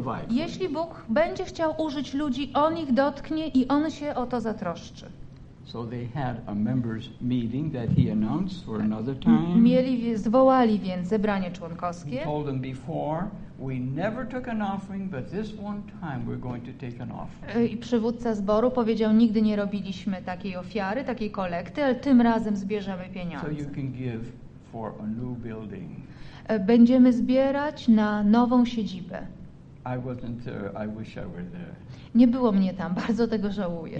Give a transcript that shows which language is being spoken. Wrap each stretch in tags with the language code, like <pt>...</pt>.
<pl>Jeśli Bóg będzie chciał użyć ludzi, on ich dotknie i on się o to zatroszczy.</pl> <en>So they had a members meeting that he announced for another time.</en> <pl>Zwołali więc zebranie członkowskie.</pl> <en>He told them before, we never took an offering, but this one time we're going to take an offering.</en> <pl>I przywódca zboru powiedział, nigdy nie robiliśmy takiej ofiary, takiej kolekty, ale tym razem zbierzemy pieniądze.</pl> <en>So you can give for a new building.</en> <pl>Będziemy zbierać na nową siedzibę.</pl> <en>I wasn't there. I wish I were there.</en> <pl>Nie było mnie tam, bardzo tego żałuję.</pl>